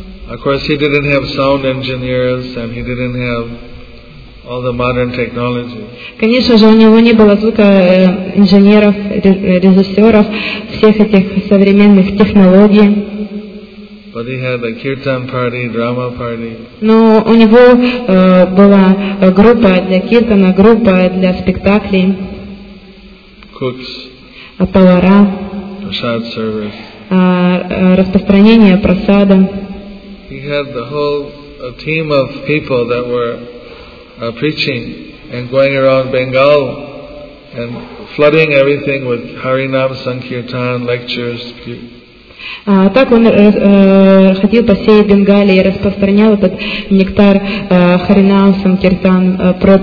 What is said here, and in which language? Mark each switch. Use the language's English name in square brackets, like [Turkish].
[English] Of course, he didn't have sound engineers and he didn't have all the modern technology. [Russian] Конечно же, у него не было звука инженеров, режиссеров, всех этих современных технологий. [English] But he had a kirtan party, drama party. [Russian] Но у него была группа для киртана, группа для спектаклей. [English] Cooks. [Russian] Повара. [English] Prasad service. [Russian] Распространение прасада. [English] He had the whole a team of people that were preaching and going around Bengal and flooding everything with Harinam Sankirtan lectures. [Russian] Так он ходил по всей Бенгалии и распространял этот нектар Харинам Санкиртан